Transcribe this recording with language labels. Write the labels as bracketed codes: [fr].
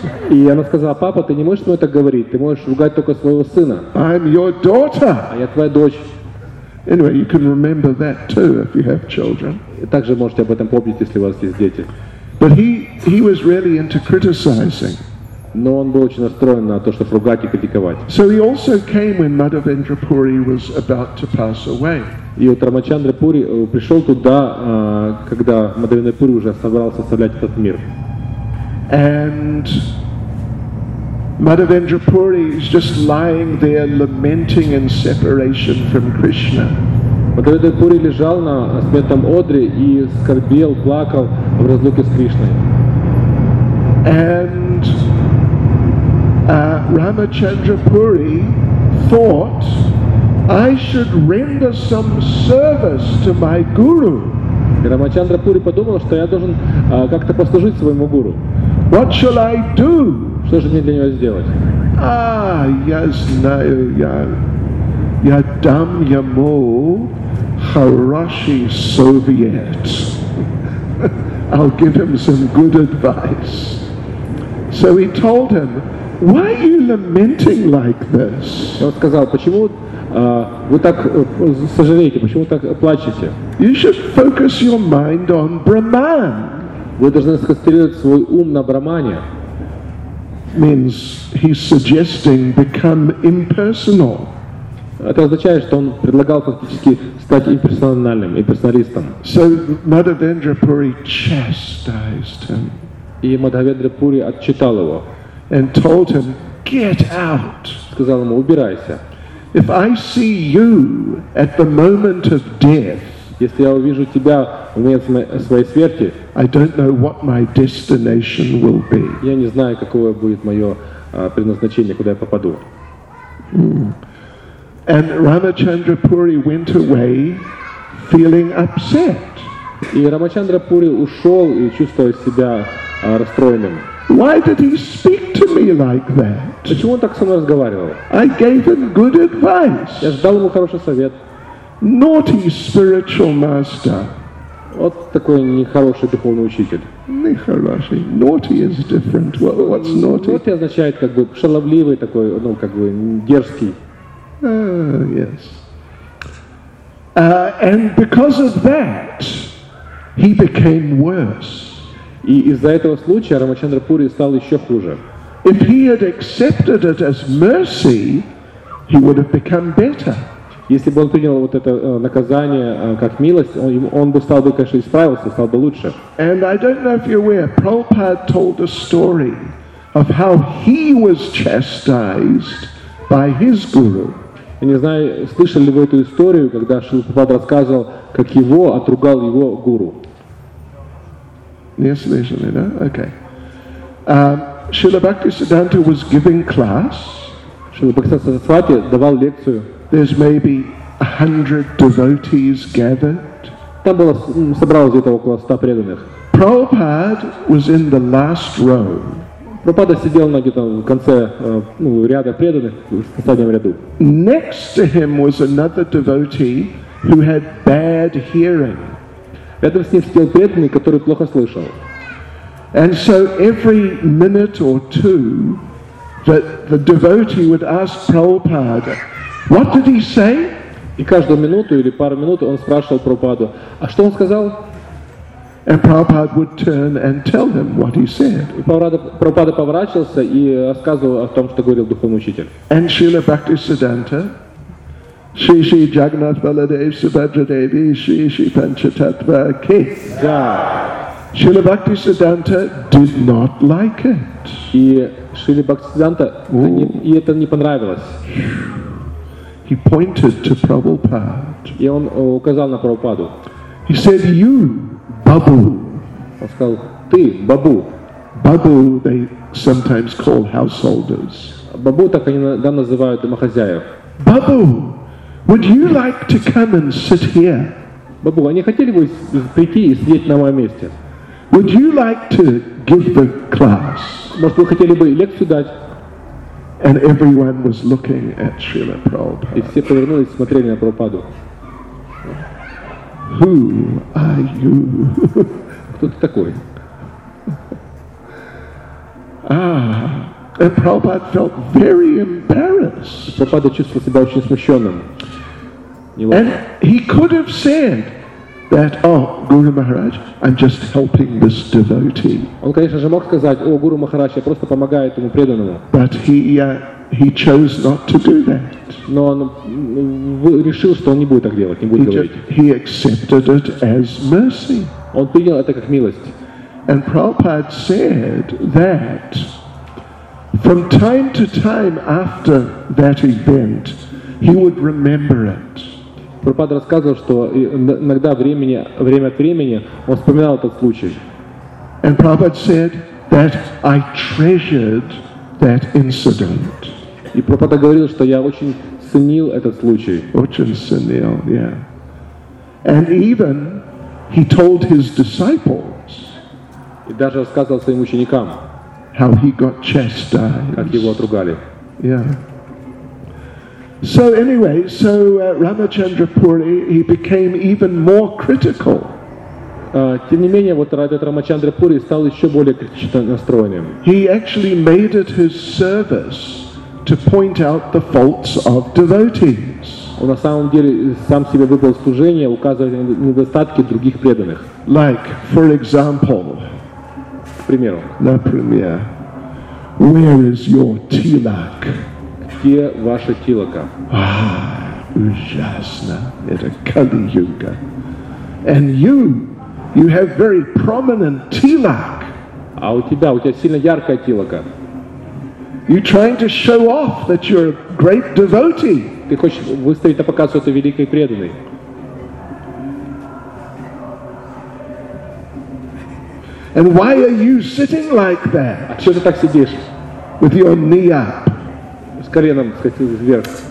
[ru] И она сказала: "Папа, ты не можешь мне так говорить. Ты можешь ругать только своего сына." [en] I'm your daughter. [ru] А я твоя дочь. [en] Anyway, you can remember that too if you have children. [ru] Также можете об этом помнить, если у вас есть дети. [en] But he was really into criticizing. [ru] Но он был очень настроен на то, чтобы ругать и критиковать. [en] So he also came when Madhavendra Puri was about to pass away. [ru] И вот Рамачандра Пури пришел туда, когда Мадхавендра Пури уже собрался оставлять этот мир. [en] And Madhavendra Puri is just lying there lamenting in separation from Krishna. [ru] Мадхавендра Пури лежал на смертном одре и скорбел, плакал в разлуке с Кришной. [en] And Рамачандра Пури thought I should render some service to my guru. [ru] Рамачандра Пури подумал, что я должен как-то послужить своему гуру. [en] What shall I do? [ru] Что же мне для него сделать? Я знаю, я дам ему хороший совет. [en] I'll give him some good advice. So he told him, why are you lamenting like this? [ru] Он сказал, почему вы так сожалеете, почему так плачете? [en] You should focus your mind on Brahman. [ru] Вы должны сконцентрировать свой ум на Брахмане. [en] Means he's suggesting become impersonal. [ru] Это означает, что он предлагал фактически стать имперсональным, имперсоналистом. [en] So Madhavendra Puri chastised him. [ru] И Мадхавендра Пури отчитал его. [en] And told him, get out. [ru] Сказал ему, убирайся. [en] If I see you at the moment of death, [ru] если я увижу тебя в момент своей смерти, [en] I don't know what my destination will be. [ru] Я не знаю, каково будет мое предназначение, куда я попаду. [en] And Ramachandra Puri went away feeling upset. [ru] И Рамачандра Пури ушел и чувствовал себя расстроенным. [en] Why did he speak to me like that? [ru] Почему он так со мной разговаривал? [en] I gave him good advice. [ru] Я дал ему хороший совет. [en] Naughty spiritual master. [ru] Вот такой нехороший духовный учитель. Нехороший. [en] Naughty is different. What's naughty? [ru] Naughty означает как бы шаловливый такой, ну как бы дерзкий. [en] Yes. And because of that, he became worse. [ru] И из-за этого случая Рамачандра Пури стал еще хуже. [en] If he had accepted it as mercy, he would have become better. [ru] Если бы он принял вот это наказание как милость, он бы стал бы, конечно, исправился, стал бы лучше. [en] And I don't know if you're aware, Prabhupada told a story of how he was chastised by his guru. [ru] Я не знаю, слышали ли вы эту историю, когда Шрила Прабхупада рассказывал, как его отругал его гуру. Не слышали, да? Окей. Шрила Бхактисиддханта [en] was giving class. [ru] Шрила Бхактисиддханта давал лекцию. [en] There's maybe 100 devotees gathered. [ru] Там было, собралось где-то около 100 преданных. [en] Prabhupada was in the last row. [ru] Прабхупада сидел на где-то в конце ряда преданных, в последнем ряду. [en] Next to him was another devotee who had bad hearing. [ru] Рядом с ним сидел преданный, который плохо слышал. [en] And so every minute or two, that the devotee would ask Prabhupada, what did he say? [ru] И каждую минуту или пару минут он спрашивал Прабхупаду, а что он сказал? [en] And Prabhupada would turn and tell him what he said. [ru] И Прабхупада поворачивался и рассказывал о том, что говорил духовный учитель. [en] And Srila Bhaktisiddhanta, Shri Shri Jagannath Baladev Subhadra Devi, Shri Shri Panchatattva Ki. [ru] Да. [en] Srila Bhaktisiddhanta did not like it. [ru] И Srila Bhaktisiddhanta, это не понравилось. [en] He pointed to Prabhupada. [ru] И он указал на Прабхупаду. [en] He said, you, Бабу. [ru] Он сказал, ты, Бабу. [en] Бабу, they sometimes call householders. [ru] Бабу, так они иногда называют домохозяев. [en] Бабу, would you like to come and sit here? [ru] Бабу, они хотели бы прийти и сидеть на моем месте? [en] Would you like to give the class? [ru] Может, вы хотели бы лекцию дать? [en] And everyone was looking at Srila Prabhupada. [ru] И все повернулись, смотрели на Прабхупаду. [en] Who are you? [ru] Кто ты такой? [en] And Prabhupada felt very embarrassed. [ru] Прабхупада чувствовал себя очень смущенным. [en] And he could have said that, oh, Guru Maharaj, I'm just helping this devotee. [ru] Он, конечно же, мог сказать, о, Гуру Махарадж, я просто помогаю этому преданному. [en] But he chose not to do that. [ru] Но он решил, что он не будет так делать, не будет говорить. [en] He accepted it as mercy. [ru] Он принял это как милость. [en] And Prabhupada said that from time to time after that event, he would remember it. [ru] Прабхупада рассказывал, что иногда время от времени он вспоминал этот случай. [en] And Prabhupada said that I treasured that incident. [ru] И Прабхупада говорил, что я очень ценил этот случай. Очень ценил, [en] yeah. And even he told his disciples. [ru] И даже рассказывал своим ученикам. [en] How he got chastised. [ru] Как его отругали. [en] Yeah. So anyway, so Ramachandra Puri, he became even more critical. [ru] Тем не менее, вот этот Рамачандра Пури стал еще более критично настроенным. [en] He actually made it his service to point out the faults of devotees. [ru] Он на самом деле сам себе выбрал служение, указывая на недостатки других преданных. [en] Like, for example. [ru] К примеру. Например. [en] Where is your tilak? [ru] Где ваша тилака? Ужасно. Это кали-юга. [en] And you have very prominent tilak. [ru] А у тебя сильно яркая тилака. [en] You're trying to show off that you're a great devotee. [ru] Ты хочешь выставить на показ, что ты великий преданный. [en] And why are you sitting like that? [ru] А что ты так сидишь? [en] With your knee up. [ru] С коленом, так сказать, вверх.